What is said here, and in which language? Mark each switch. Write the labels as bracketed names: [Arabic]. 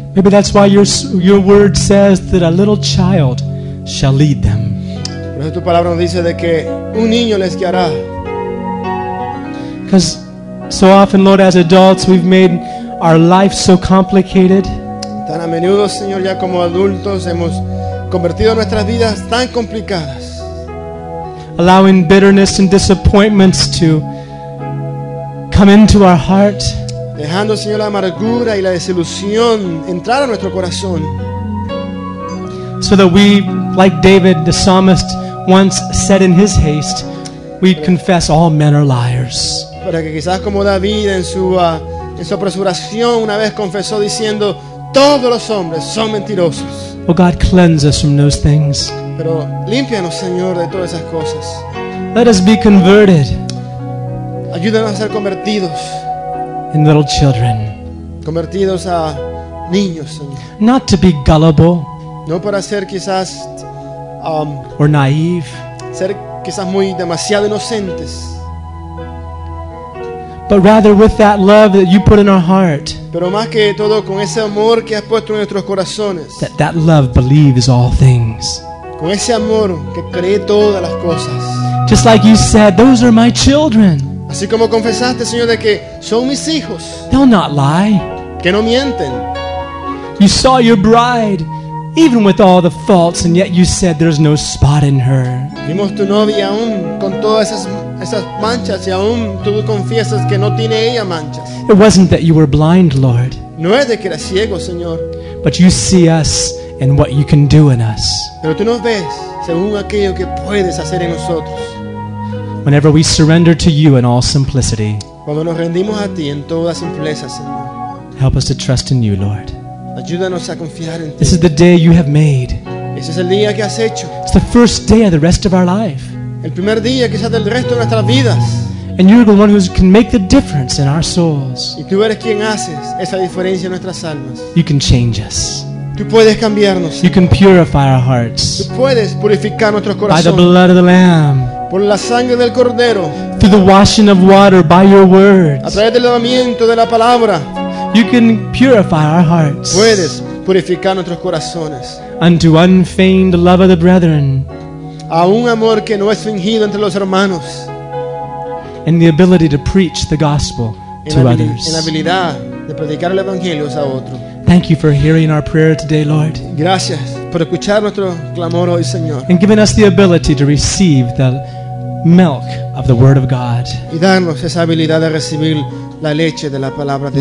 [English] Maybe that's why your word says that a little child shall lead them. [Spanish] Por eso tu palabra nos dice de que un niño les guiará. [English] Because so often, Lord, as adults, we've made our life so complicated. [Spanish] Tan a menudo, Señor, ya como adultos hemos convertido nuestras vidas tan complicadas. [English] Allowing bitterness and disappointments to come into our heart. [Spanish] Dejando, Señor, la amargura y la desilusión entrar a nuestro corazón. [English] So that we, like David, the psalmist, once said in his haste, we confess all men are liars. [Spanish] Para que quizás como David en su apresuración una vez confesó diciendo, todos los hombres son mentirosos. [English] Oh God, cleanse us from those things. [Spanish] Pero límpianos, Señor, de todas esas cosas. [English] Let us be converted. [Spanish] Ayúdanos a ser convertidos [English] en little children. [Spanish] Convertidos a niños, Señor. [English] Not to be gullible. [Spanish] No para ser quizás [English] or naive. [Spanish] Ser quizás muy demasiado inocentes. [English] But rather with that love that you put in our heart. [Spanish] Pero más que todo con ese amor que has puesto en nuestros corazones. [English] That love believes all things. [Spanish] Con ese amor que cree todas las cosas. [English] Just like you said, those are my children. [Spanish] Así como confesaste, Señor, de que son mis hijos. [English] They'll not lie. [Spanish] Que no mienten. [English] You saw your bride, even with all the faults, and yet you said there's no spot in her. [Spanish] Vimos tu novia aún con todas esas manchas, y aún tú confiesas que no tiene ella manchas. [English] It wasn't that you were blind, Lord. [Spanish] No es de que eras ciego, Señor. [English] But you see us and what you can do in us. [Spanish] Pero tú nos ves según aquello que puedes hacer en nosotros. [English] Whenever we surrender to you in all simplicity. [Spanish] Cuando nos rendimos a ti en toda simpleza, Señor. [English] Help us to trust in you, Lord. [Spanish] Ayúdanos a confiar en ti. [English] This is the day you have made. [Spanish] Ese es el día que has hecho. [English] It's the first day of the rest of our life. [Spanish] El primer día quizás del resto de nuestras vidas. [English] And you're the one who can make the difference in our souls. [Spanish] Y tú eres quien haces esa diferencia en nuestras almas. [English] You can change us. [Spanish] Tú puedes cambiarnos. [English] You can purify our hearts. [Spanish] Tú puedes purificar nuestros corazones. [English] By the blood of the Lamb. [Spanish] Por la sangre del Cordero. [English] Through the washing of water by your words. [Spanish] A través del lavamiento de la palabra. [English] You can purify our hearts. [Spanish] Puedes purificar nuestros corazones. [English] Unto unfeigned love of the brethren. [Spanish] A un amor que no es fingido entre los hermanos. [English] And the ability to preach the gospel to others. [Spanish] En la habilidad de predicar el evangelio a otro. [English] Thank you for hearing our prayer today, Lord. [Spanish] Gracias por escuchar nuestro clamor hoy, Señor. [English] And giving us the ability to receive the milk of the word of God. [Spanish] Y darnos esa habilidad de recibir la leche de la palabra de Dios.